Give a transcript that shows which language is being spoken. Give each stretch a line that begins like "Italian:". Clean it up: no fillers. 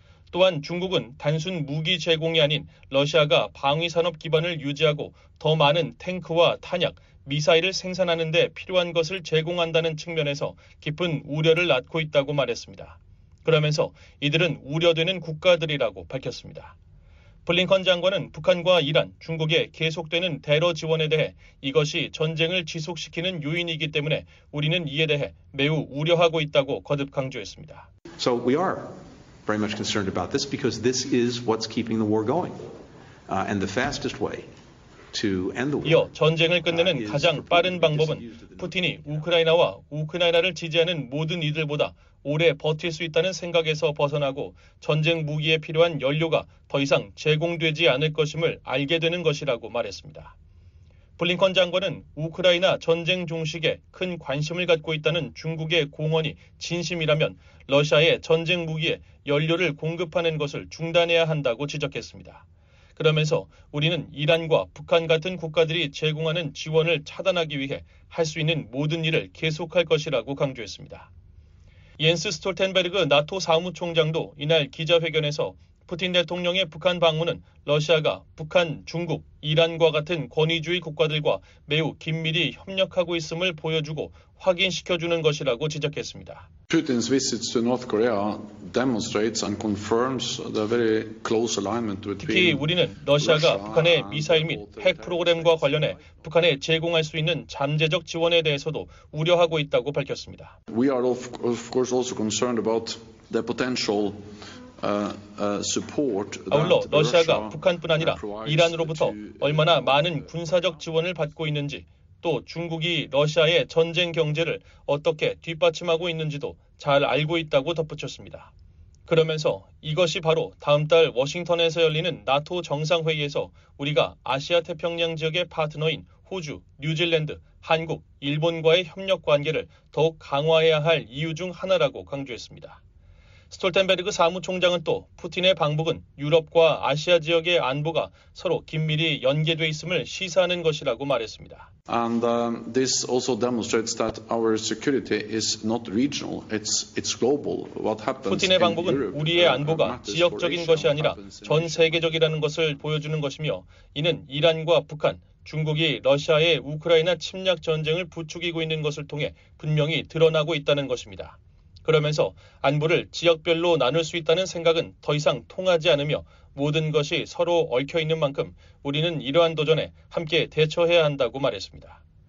Korean: 또한 중국은 단순 무기 제공이 아닌 러시아가 방위산업 기반을 유지하고 더 많은 탱크와 탄약, 미사일을 생산하는 데 필요한 것을 제공한다는 측면에서 깊은 우려를 낳고 있다고 말했습니다. 그러면서 이들은 우려되는 국가들이라고 밝혔습니다. 블링컨 장관은 북한과 이란, 중국의 계속되는 대러 지원에 대해 이것이 전쟁을 지속시키는 요인이기 때문에 우리는 이에 대해 매우 우려하고 있다고 거듭 강조했습니다.
English: So we are very much concerned about this because this is what's keeping the war going. And the fastest way to end the war.
Korean: 이어 전쟁을 끝내는 가장 빠른 방법은 푸틴이 우크라이나와 우크라이나를 지지하는 모든 이들보다 오래 버틸 수 있다는 생각에서 벗어나고 전쟁 무기에 필요한 연료가 더 이상 제공되지 않을 것임을 알게 되는 것이라고 말했습니다. 블링컨 장관은 우크라이나 전쟁 종식에 큰 관심을 갖고 있다는 중국의 공언이 진심이라면 러시아의 전쟁 무기에 연료를 공급하는 것을 중단해야 한다고 지적했습니다. 그러면서 우리는 이란과 북한 같은 국가들이 제공하는 지원을 차단하기 위해 할 수 있는 모든 일을 계속할 것이라고 강조했습니다. 옌스 스톨텐베르그 나토 사무총장도 이날 기자회견에서 푸틴 대통령의 북한 방문은 러시아가 북한, 중국, 이란과 같은 권위주의 국가들과 매우 긴밀히 협력하고 있음을 보여주고 확인시켜주는 것이라고 지적했습니다.
English: Putin's visit to North Korea demonstrates and confirms the very close alignment between
Korean: 특히 우리는 러시아가 북한의 미사일 및 핵 프로그램과 관련해 북한에 제공할 수 있는 잠재적 지원에 대해서도 우려하고 있다고 밝혔습니다.
English: We are of course also concerned about the potential support.
Korean: 아울러 러시아가 북한뿐 아니라 이란으로부터 얼마나 많은 군사적 지원을 받고 있는지 또 중국이 러시아의 전쟁 경제를 어떻게 뒷받침하고 있는지도 잘 알고 있다고 덧붙였습니다. 그러면서 이것이 바로 다음 달 워싱턴에서 열리는 나토 정상회의에서 우리가 아시아 태평양 지역의 파트너인 호주, 뉴질랜드, 한국, 일본과의 협력 관계를 더욱 강화해야 할 이유 중 하나라고 강조했습니다. 스톨텐베르그 사무총장은 또 푸틴의 방북은 유럽과 아시아 지역의 안보가 서로 긴밀히 연계돼 있음을 시사하는 것이라고 말했습니다.
English: And this also demonstrates that our security is not regional, it's global. What happens
Korean: 푸틴의 방북은 우리의 안보가 지역적인 것이 아니라 전 세계적이라는 것을 보여주는 것이며 이는 이란과 북한, 중국이 러시아의 우크라이나 침략 전쟁을 부추기고 있는 것을 통해 분명히 드러나고 있다는 것입니다. 그러면서 안보를 지역별로 나눌 수 있다는 생각은 더 이상 통하지 않으며 모든 것이 서로 얽혀있는 만큼 우리는 이러한 도전에 함께 대처해야 한다고 말했습니다.